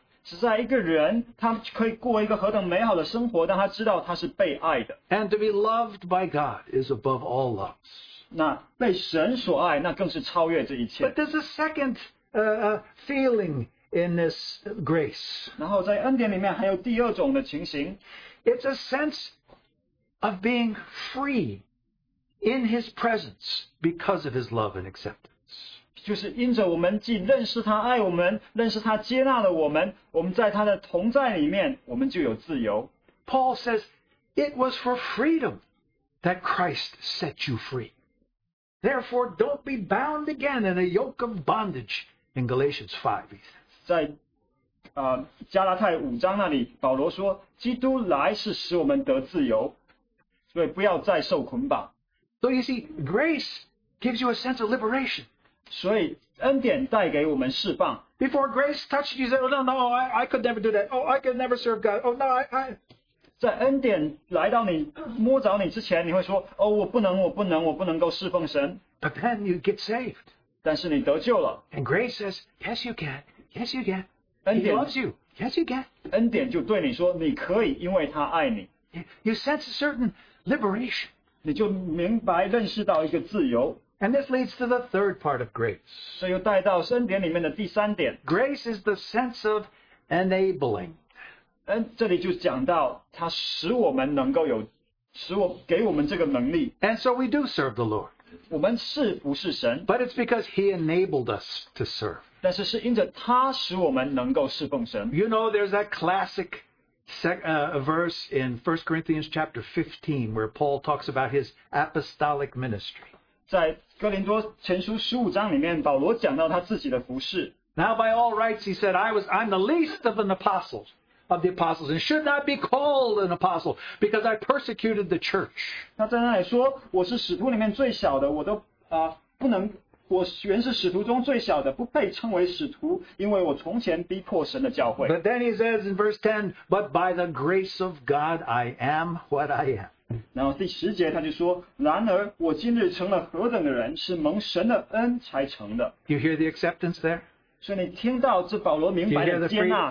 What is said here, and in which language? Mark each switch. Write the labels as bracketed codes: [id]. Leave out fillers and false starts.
[en] And to be loved by God is above all loves. [zh] 那被神所爱, [en] but there's a second feeling in this grace. [zh] 然后在恩典里面还有第二种的情形, [en] it's a sense of being free in His presence because of His love and acceptance. [zh] 就是因着我们既认识他爱我们, 认识他接纳了我们, 我们在他的同在里面, 我们就有自由。 [en] Paul says, it was for freedom that Christ set you free. Therefore, don't be bound again in a yoke of bondage in Galatians 5. [zh] 在, 加拉太五章那里，保罗说，基督来是使我们得自由，所以不要再受捆绑。 [en] So you see, grace gives you a sense of liberation. [zh] 所以恩典带给我们释放。 [en] Before grace touched you, you said, oh, no, I could never do that. Oh, I could never serve God. Oh, no, I... [zh] 在恩典来到你摸着你之前，你会说，哦，我不能，我不能，我不能够侍奉神。 [en] But then you get saved. [zh] 但是你得救了。 [en] And grace says, yes, you can. Yes, you can. He loves you. Yes, you can. [zh] 恩典就对你说，你可以，因为他爱你。 [en] You sense a certain liberation. [zh] 你就明白认识到一个自由。 [en] And this leads to the third part of grace. [zh] 所以又带到恩典里面的第三点。 [en] Grace is the sense of enabling. [zh] 这里就讲到它使我们能够有使我给我们这个能力。 [en] And so we do serve the Lord. [zh] 我们是不是神。 [en] But it's because he enabled us to serve. [zh] 但是是因着他使我们能够侍奉神。 [en] You know, there's that classic verse in 1 Corinthians chapter 15 where Paul talks about his apostolic ministry. [zh] 在哥林多前书十五章里面，保罗讲到他自己的服事。 [en] Now by all rights, he said, I'm the least of an apostle. Of the apostles, and should not be called an apostle because I persecuted the church. [zh] 那在那里说，我是使徒里面最小的，我都不能，我原是使徒中最小的，不配称为使徒，因为我从前逼迫神的教会。 [en] But then he says in verse 10, but by the grace of God, I am what I am. [zh] 然后第十节他就说，然而我今日成了何等的人，是蒙神的恩才成的。 [en] You hear the acceptance there? [zh] 所以你听到这保罗明白的接纳。